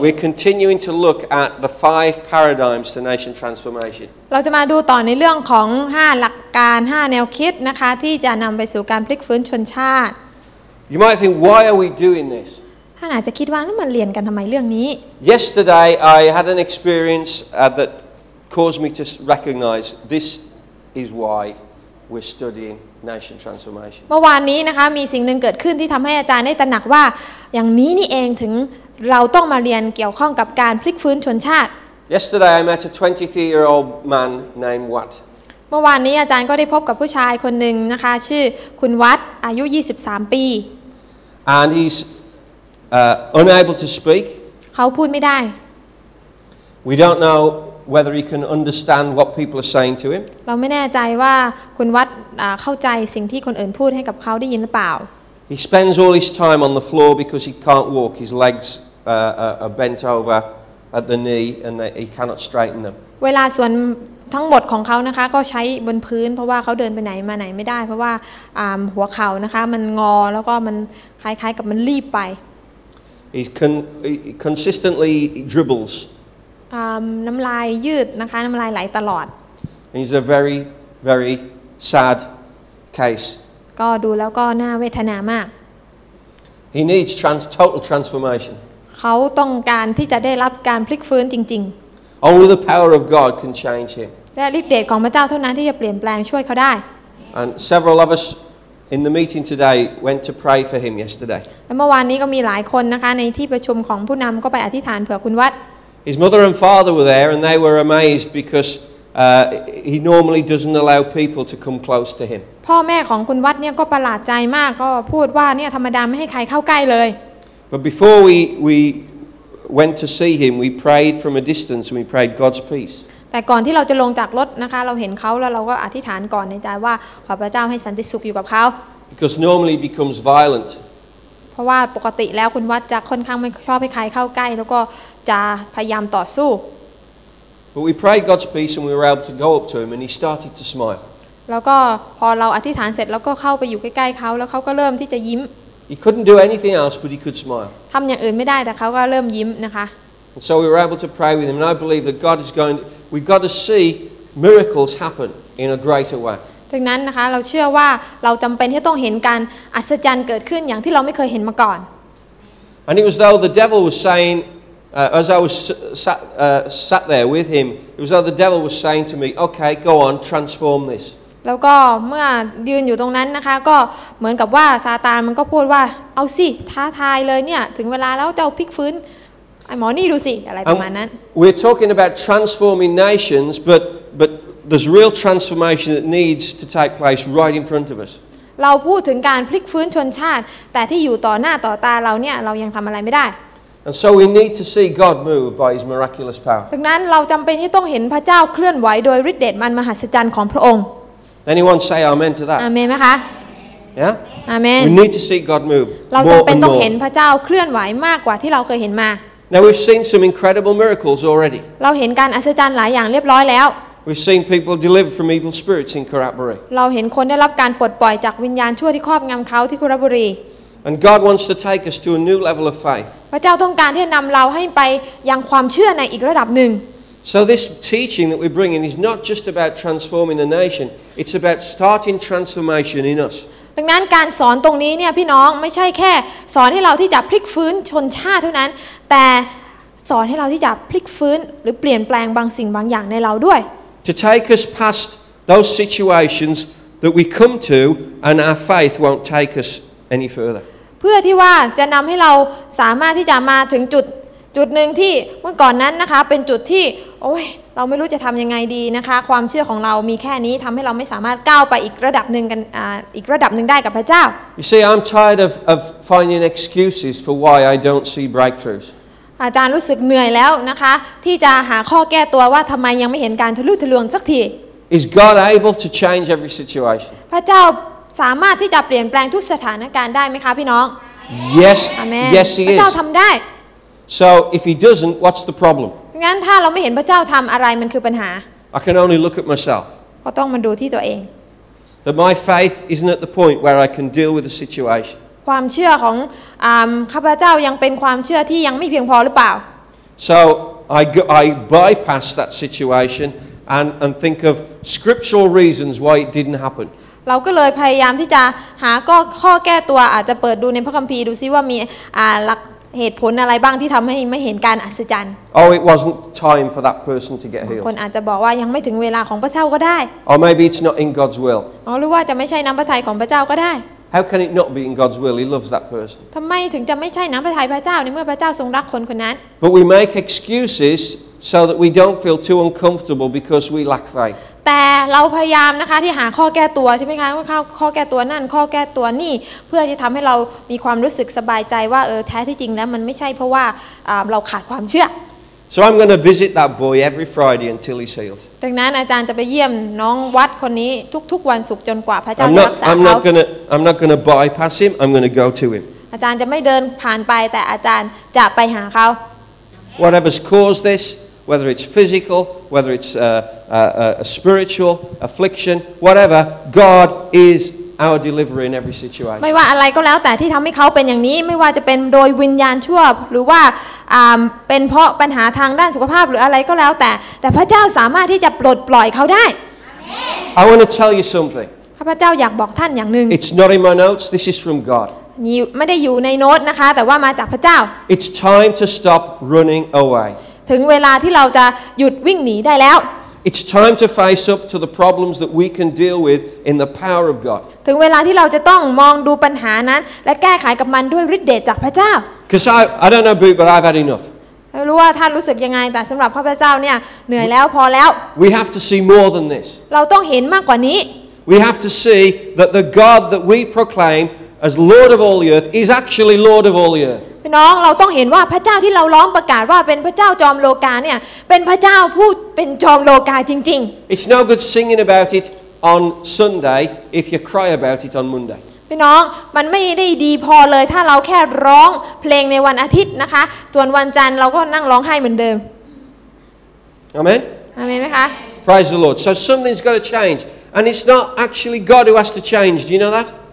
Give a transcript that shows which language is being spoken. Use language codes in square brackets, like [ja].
[en] We're continuing to look at the five paradigms to nation transformation. [th] เราจะมาดูต่อในเรื่องของ5หลักการ5แนวคิดนะคะที่จะนําไปสู่การพลิกฟื้นชนชาติ [en] You might think why are we doing this? [th] ท่านอาจจะคิดว่าแล้วมันเรียนกันทําไมเรื่องนี้ [en] Yesterday I had an experience that caused me to recognize this is why we're studying nation transformation. [th] เมื่อวานนี้นะคะมีสิ่งนึงเกิดขึ้นที่ทําให้อาจารย์ได้ตระหนักว่าอย่างนี้นี่เองถึงเราต้องมาเรียนเกี่ยวข้องกับการพลิกฟื้นชนชาติ [en] Yesterday I met a 23-year-old man named Wat [th] เมื่อวานนี้อาจารย์ก็ได้พบกับผู้ชายคนหนึ่งนะคะชื่อคุณวัดอายุ23ปี [en] And he's unable to speak [th] เขาพูดไม่ได้ [en] We don't know whether he can understand what people are saying to him [th] เราไม่แน่ใจว่าคุณวัดเข้าใจสิ่งที่คนอื่นพูดให้กับเขาได้ยินหรือเปล่า [en] He spends all his time on the floor because he can't walk. His legs are bent over at the knee, and he cannot straighten them. [th] เวลาส่วนทั้งหมดของเขานะคะก็ใช้บนพื้นเพราะว่าเขาเดินไปไหนมาไหนไม่ได้เพราะว่าหัวเข่านะคะมันงอแล้วก็มันคล้ายๆกับมันรีบไป [en] He consistently dribbles. [th] น้ำลายยืดนะคะน้ำลายไหลตลอด [en] He's a very, very sad case. [th] ก็ดูแล้วก็น่าเวทนามาก [en] He needs total transformation [th] เขาต้องการที่จะได้รับการพลิกฟื้นจริง [en] ๆ Only the power of God can change him [th] และฤทธิ์เดชของพระเจ้าเท่านั้นที่จะเปลี่ยนแปลงช่วยเขาได้ [en] And several of us in the meeting today went to pray for him yesterday [th] และเมื่อวานนี้ก็มีหลายคนนะคะในที่ประชุมของผู้นำก็ไปอธิษฐานเผื่อคุณวัด [en] His mother and father were there and they were amazed becauseHe normally doesn't allow people to come close to him. [th] พ่อแม่ของคุณวัดเนี่ยก็ประหลาดใจมากก็พูดว่าเนี่ยธรรมดาไม่ให้ใครเข้าใกล้เลย [en] But before we went to see him, we prayed from a distance and we prayed God's peace. [th] แต่ก่อนที่เราจะลงจากรถนะคะเราเห็นเขาแล้วเราก็อธิษฐานก่อนในใจว่าขอพระเจ้าให้สันติสุขอยู่กับเขา [en] Because normally becomes violent. [th] เพราะว่าปกติแล้วคุณวัดจะค่อนข้างไม่ชอบให้ใครเข้าใกล้แล้วก็จะพยายามต่อสู้ [en] But we prayed God's peace and we were able to go up to him and he started to smile. [th] แล้วก็พอเราอธิษฐานเสร็จแล้วก็เข้าไปอยู่ใกล้ๆเขาแล้วเขาก็เริ่มที่จะยิ้ม [en] He couldn't do anything else but he could smile. [th] ทำอย่างอื่นไม่ได้แต่เขาก็เริ่มยิ้มนะคะ [en] And so we were able to pray with him and I believe that God is going we've got to see miracles happen in a greater way. [th] ดังนั้นนะคะเราเชื่อว่าเราจําเป็นที่ต้องเห็นการอัศจรรย์เกิดขึ้นอย่างที่เราไม่เคยเห็นมาก่อน [en] And it was though the devil was sayingas I was sat there with him, it was like the devil was saying to me, okay, go on, transform this. [th] แล้วก็เมื่อยืนอยู่ตรงนั้นนะคะก็เหมือนกับว่าซาตานมันก็พูดว่าเอาสิท้าทายเลยเนี่ยถึงเวลาแล้วเจ้าพลิกฟื้นไอ้หมอนี่ดูสิอะไรประมาณนั้น [en] We're talking about transforming nations but there's real transformation that needs to take place right in front of us [th] เราพูดถึงการพลิกฟื้นชนชาติแต่ที่อยู่ต่อหน้าต่อตาเราเนี่ยเรายังทำอะไรไม่ได้ [en] And so we need to see God move by His miraculous power. [th] ดังนั้นเราจำเป็นที่ต้องเห็นพระเจ้าเคลื่อนไหวโดยฤทธิ์เดชมันมหัศจรรย์ของพระองค์ [en] Anyone say Amen to that? [th] Amen ไหมคะ [en] Yeah. Amen. We need to see God move. [th] เราจำเป็นต้องเห็นพระเจ้าเคลื่อนไหวมากกว่าที่เราเคยเห็นมา [en] Now we've seen some incredible miracles already. [th] เราเห็นการอัศจรรย์หลายอย่างเรียบร้อยแล้ว [en] We've seen people delivered from evil spirits in Karaburi. [th] เราเห็นคนได้รับการปลดปล่อยจากวิญญาณชั่วที่ครอบงำเขาที่คาราบุรี [en] And God wants to take us to a new level of faith. [th] พระเจ้าต้องการที่นำเราให้ไปยังความเชื่อในอีกระดับหนึ่ง [en] So this teaching that we're bringing is not just about transforming the nation. It's about starting transformation in us. [th] ดังนั้นการสอนตรงนี้เนี่ยพี่น้องไม่ใช่แค่สอนให้เราที่จะพลิกฟื้นชนชาติเท่านั้นแต่สอนให้เราที่จะพลิกฟื้นหรือเปลี่ยนแปลงบางสิ่งบางอย่างในเราด้วย [en] To take us past those situations that we come to and our faith won't take us any further. [th] เพื่อที่ว่าจะนำให้เราสามารถที่จะมาถึงจุดหนึ่งที่เมื่อก่อนนั้นนะคะเป็นจุดที่โอ้ยเราไม่รู้จะทำยังไงดีนะคะความเชื่อของเรามีแค่นี้ทำให้เราไม่สามารถก้าวไปอีกระดับหนึ่งกันอีกระดับหนึ่งได้กับพระเจ้า [en] You see I'm tired of finding excuses for why I don't see breakthroughs [th] อาจารย์รู้สึกเหนื่อยแล้วนะคะที่จะหาข้อแก้ตัวว่าทำไมยังไม่เห็นการทะลุทะลวงสักที [en] Is God able to change every situation [th] พระเจ้าสามารถที่จะเปลี่ยนแปลงทุกสถานการณ์ได้ไหมคะพี่น้อง [en] Yes Amen Yes He is [th] พระเจ้าทำได้ [en] So if He doesn't what's the problem [th] งั้นถ้าเราไม่เห็นพระเจ้าทำอะไรมันคือปัญหา [en] I can only look at myself [th] ก็ต้องมาดูที่ตัวเอง [en] That my faith isn't at the point where I can deal with the situation [th] ความเชื่อของข้าพเจ้ายังเป็นความเชื่อที่ยังไม่เพียงพอหรือเปล่า [en] So I bypass that situation and think of scriptural reasons why it didn't happen [th] เราก็เลยพยายามที่จะหาข้อแก้ตัวอาจจะเปิดดูในพระคัมภีร์ดูซิว่ามีหลักเหตุผลอะไรบ้างที่ทำให้ไม่เห็นการอัศจรรย์ [en] Oh it wasn't time for that person to get healed [th] คนอาจจะบอกว่ายังไม่ถึงเวลาของพระเจ้าก็ได้ [en] Or maybe it's not in God's will [th] หรือว่าจะไม่ใช่น้ำพระทัยของพระเจ้าก็ได้ [en] How can it not be in God's will He loves that person [th] ทำไมถึงจะไม่ใช่น้ำพระทัยพระเจ้าในเมื่อพระเจ้าทรงรักคนคนนั้น [en] But we make excuses so that we don't feel too uncomfortable because we lack faith [th] แต่เราพยายามนะคะที่หาข้อแก้ตัวใช่ไหมคะข้อแก้ตัวนั่นข้อแก้ตัวนี่เพื่อที่ทำให้เรามีความรู้สึกสบายใจว่าเออแท้ที่จริงแล้วมันไม่ใช่เพราะว่าเราขาดความเชื่อ [en] So I'm going to visit that boy every Friday until he's healed [th] ดังนั้นอาจารย์จะไปเยี่ยมน้องวัดคนนี้ทุกวันศุกร์จนกว่าพระเจ้ารักษาเขา [en] I'm not going to bypass him I'm going to go to him [th] อาจารย์จะไม่เดินผ่านไปแต่อาจารย์จะไปหาเขา [en] Whatever's caused thisWhether it's physical, whether it's a spiritual affliction, whatever, God is our deliverer in every situation. [th] ไม่ว่าอะไรก็แล้วแต่ที่ทำให้เขาเป็นอย่างนี้ไม่ว่าจะเป็นโดยวิญญาณชั่วหรือว่าเป็นเพราะปัญหาทางด้านสุขภาพหรืออะไรก็แล้วแต่พระเจ้าสามารถที่จะปลดปล่อยเขาได้ [en] Amen. I want to tell you something. [th] ข้าพเจ้าอยากบอกท่านอย่างหนึ่ง [en] It's not in my notes. This is from God. [th] ไม่ได้อยู่ในโน้ตนะคะแต่ว่ามาจากพระเจ้า [en] It's time to stop running away. [th] ถึงเวลาที่เราจะหยุดวิ่งหนีได้แล้ว [en] It's time to face up to the problems that we can deal with in the power of God [th] ถึงเวลาที่เราจะต้องมองดูปัญหานั้นและแก้ไขกับมันด้วยฤทธิ์เดชจากพระเจ้า [en] Because I don't know but I've had enough [th] รู้ว่าท่านรู้สึกยังไงแต่สำหรับพระเจ้าเนี่ยเหนื่อยแล้วพอแล้ว [en] We have to see more than this [th] เราต้องเห็นมากกว่านี้ [en] We have to see that the God that we proclaim as Lord of all the earth is actually Lord of all the earth [th] พี่น้องเราต้องเห็นว่าพระเจ้าที่เราร้องประกาศว่าเป็นพระเจ้าจอมโลกาเนี่ยเป็นพระเจ้าผู้เป็นจอมโลกาจริง [en] ๆ It's no good singing about it on Sunday if you cry about it on Monday [th] พี่น้องมันไม่ได้ดีพอเลยถ้าเราแค่ร้องเพลงในวันอาทิตย์นะคะส่วนวันจันทร์เราก็นั่งร้องไห้เหมือนเดิม [en] Amen [th] Amen มั้ยคะ [en] Praise the Lord so something's got to change and it's not actually God who has to change do you know that